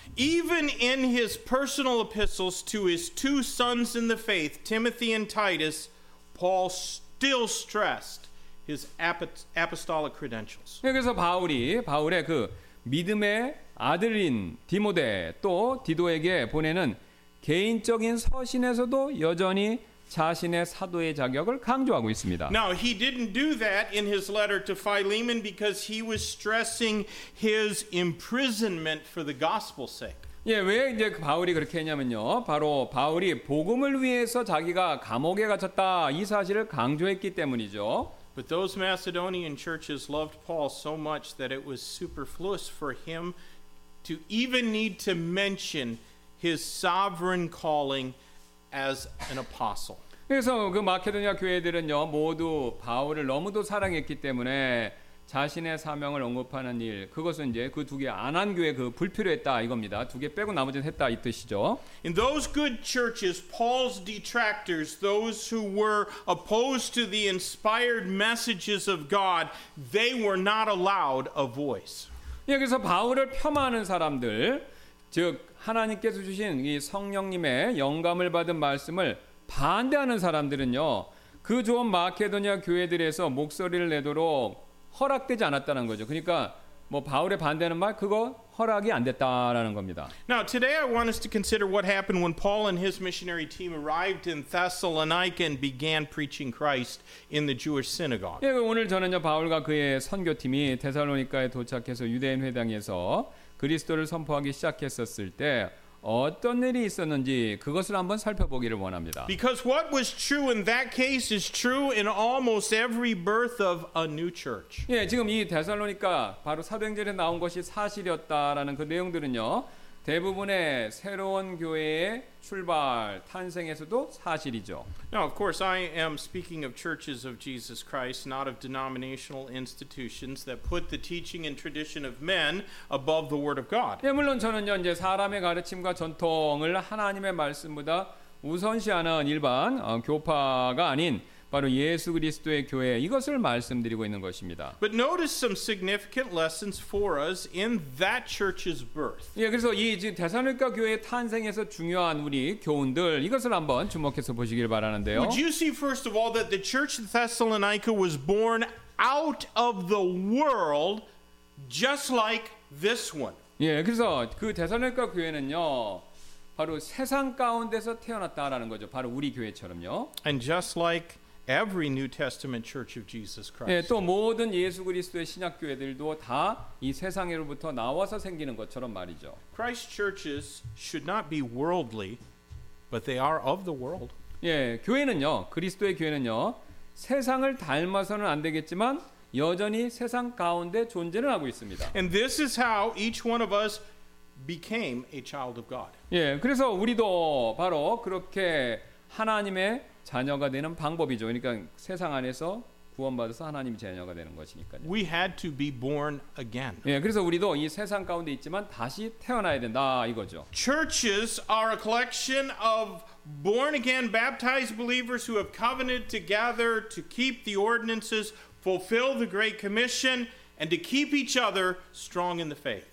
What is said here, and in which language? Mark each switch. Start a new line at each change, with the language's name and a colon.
English: Even in his personal epistles to his two sons in the faith, Timothy and Titus, Paul still stressed his apostolic credentials.
Korean: 그래서 바울의 그 믿음의 아들인 디모데 또 디도에게 보내는 개인적인 서신에서도 여전히 자신의 사도의 자격을 강조하고 있습니다.
English: Now he didn't do that in his letter to Philemon because he was stressing his imprisonment for the gospel's sake.
Korean: 예, 왜 이제 바울이 그렇게 했냐면요. 바로 바울이 복음을 위해서 자기가 감옥에 갇혔다 이 사실을 강조했기 때문이죠.
English: But those Macedonian churches loved Paul so much that it was superfluous for him to even need to mention his sovereign calling as an apostle.
Korean: 그래서 그 마케도니아 교회들은요 모두 바울을 너무도 사랑했기 때문에 자신의 사명을 언급하는 일 그것은 이제 그 두 개 안 한 교회 그 불필요했다 이겁니다. 두 개 빼고 나머지는 했다 이 뜻이죠.
English: In those good churches, Paul's detractors, those who were opposed to the inspired messages of God, they were not allowed a voice.
Korean: 여기서 바울을 폄하하는 사람들 즉 하나님께서 주신 이 성령님의 영감을 받은 말씀을 반대하는 사람들은요 그 좋은 마케도니아 교회들에서 목소리를 내도록 허락되지 않았다는 거죠. 그러니까 뭐 바울의 반대하는 말 그거 허락이 안 됐다라는 겁니다.
English: Now today I want us to consider what happened when Paul and his missionary team arrived in Thessalonica and began preaching Christ in the Jewish synagogue.
Korean: 예, 오늘 저는요 바울과 그의 선교팀이 데살로니카에 도착해서 유대인 회당에서 그리스도를 선포하기 시작했었을 때 어떤 일이 있었는지 그것을 한번 살펴보기를 원합니다.
English: Because what was true in that case is true in almost every birth of a new church.
Korean: 예, 지금 이 데살로니카 바로 사도행전에 나온 것이 사실이었다라는 그 내용들은요. 대부분의 새로운 교회의 출발 탄생에서도 사실이죠.
English: Now, of course, I am speaking of churches of Jesus Christ, not of denominational institutions that put the teaching and tradition of men above the word of God.
Korean: 예, 물론 저는요, 이제 사람의 가르침과 전통을 하나님의 말씀보다 우선시하는 일반 교파가 아닌 바로 예수 그리스도의 교회 이것을 말씀드리고 있는 것입니다.
English: But notice some significant lessons for us in that church's birth.
Korean: 예, 그래서 이 데살로니가 교회 탄생에서 중요한 우리 교훈들 이것을 한번 주목해서 보시길 바라는데요.
English: Would you see first of all that the church in Thessalonica was born out of the world just like this one.
Korean: 예, 그래서 그 데살로니가 교회는요. 바로 세상 가운데서 태어났다라는 거죠. 바로 우리 교회처럼요.
English: And just like every New Testament Church of Jesus Christ.
Korean: 예, 또 모든 예수 그리스도의 신약 교회들도 다 이 세상에로부터 나와서 생기는 것처럼 말이죠.
English: Christ churches should not be worldly, but they are of the world.
Korean: 예, 교회는요, 그리스도의 교회는요, 세상을 닮아서는 안 되겠지만 여전히 세상 가운데 존재를 하고 있습니다.
English: And this is how each one of us became a child of God.
Korean: 예, 그래서 우리도 바로 그렇게 하나님의 자녀가 되는 방법이죠. 그러니까 세상 안에서 구원받아서 하나님의 자녀가 되는 것이니까요.
English: We had to be born again.
Korean: 예, 그래서 우리도 이 세상 가운데 있지만 다시 태어나야 된다 이거죠.
English: Churches are a collection of born again baptized believers who have covenanted together to keep the ordinances, fulfill the great commission and to keep each other strong in the faith.